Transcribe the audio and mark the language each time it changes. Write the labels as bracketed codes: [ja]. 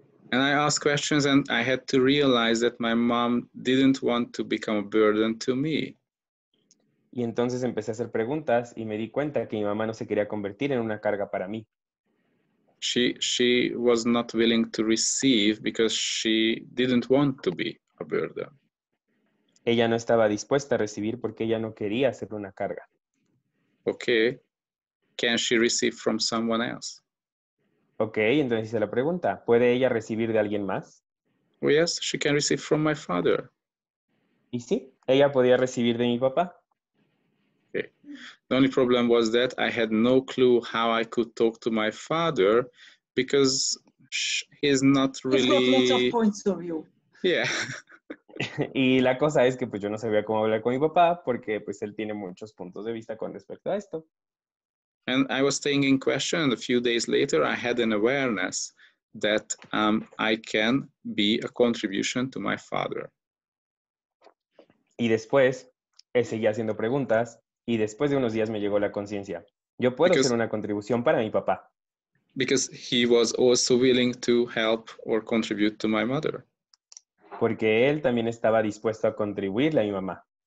[en] And I asked questions and I had to realize that my mom didn't want to become a burden to me. [es] Y entonces empecé a hacer preguntas y me di cuenta que mi mamá no se quería convertir en una carga para mí. [en] She was not willing to receive because she didn't want to be a burden. [es] Ella no estaba dispuesta a recibir porque ella no quería ser una carga. [en] Okay. Can she receive from someone else? [es] Okay, entonces hice la pregunta, ¿puede ella recibir de alguien más? [en] Well, yes, she can receive from my father. [es] ¿Y sí? ¿Ella podía recibir de mi papá? [en] Okay. The only problem was that I had no clue how I could talk to my father because he's not really... He's got lots of points of view. Yeah. [es] Y la cosa es que pues yo no sabía cómo hablar con mi papá porque pues él tiene muchos puntos de vista con respecto a esto. [en] And I was staying in question, and a few days later I had an awareness that I can be a contribution to my father. [es] Y después seguí haciendo preguntas y después de unos días me llegó la conciencia. Yo puedo ser una contribución para mi papá. [en] Because he was also willing to help or contribute to my mother. [es] Porque él también estaba dispuesto a contribuirle a mi mamá.